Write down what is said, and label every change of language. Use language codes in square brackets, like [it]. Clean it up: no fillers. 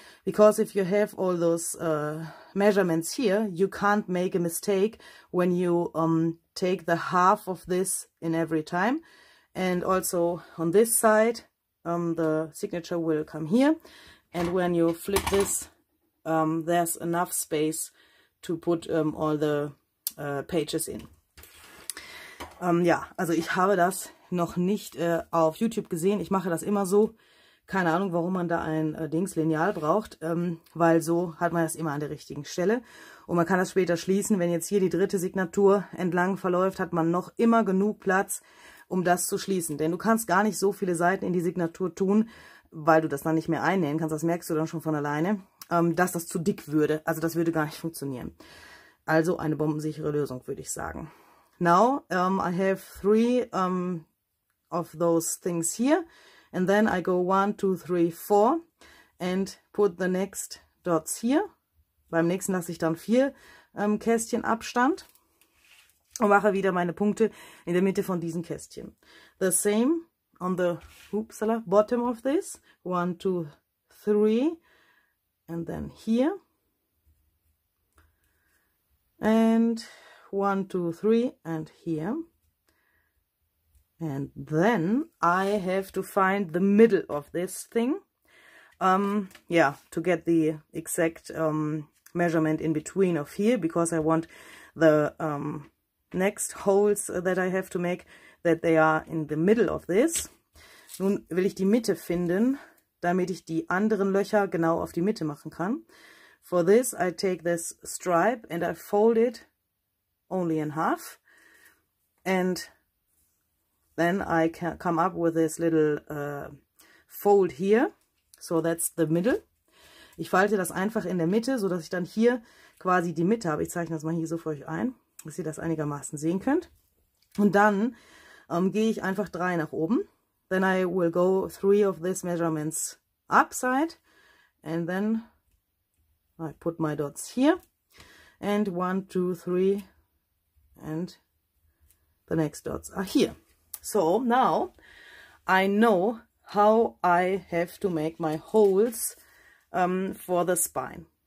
[en] Because if you have all those measurements here, you can't make a mistake when you take the half of this in every time. And also on this side, the signature will come here, and when you flip this, there's enough space to put all the pages in. [de] Ja, also ich habe das noch nicht auf YouTube gesehen. Ich mache das immer so. Keine Ahnung, warum man da ein Dings-Lineal braucht, weil so hat man das immer an der richtigen Stelle. Und man kann das später schließen. Wenn jetzt hier die dritte Signatur entlang verläuft, hat man noch immer genug Platz, um das zu schließen. Denn du kannst gar nicht so viele Seiten in die Signatur tun, weil du das dann nicht mehr einnähen kannst. Das merkst du dann schon von alleine, dass das zu dick würde. Also das würde gar nicht funktionieren. Also eine bombensichere Lösung, würde ich sagen. [en] Now I have three of those things here. And then I go 1, 2, 3, 4 and put the next dots here. [de] Beim nächsten lasse ich dann vier Kästchen Abstand. Und mache wieder meine Punkte in der Mitte von diesen Kästchen. [en] The same on the bottom of this. 1, 2, 3. And then here. And 1, 2, 3. And here. And then I have to find the middle of this thing. Yeah, to get the exact measurement in between of here. Because I want the next holes that I have to make, that they are in the middle of this. [de] Nun will ich die Mitte finden, damit ich die anderen Löcher genau auf die Mitte machen kann. [en] For this, I take this stripe and I fold it only in half. And then I can come up with this little fold here. So that's the middle. [de] Ich falte das einfach in der Mitte, so dass ich dann hier quasi die Mitte habe. Ich zeichne das mal hier so für euch ein, dass ihr das einigermaßen sehen könnt. Und dann gehe ich einfach drei nach oben. [en] Then I will go three of these measurements upside. And then I put my dots here. And 1, 2, 3. And the next dots are here. So now I know how I have to make my holes for the spine.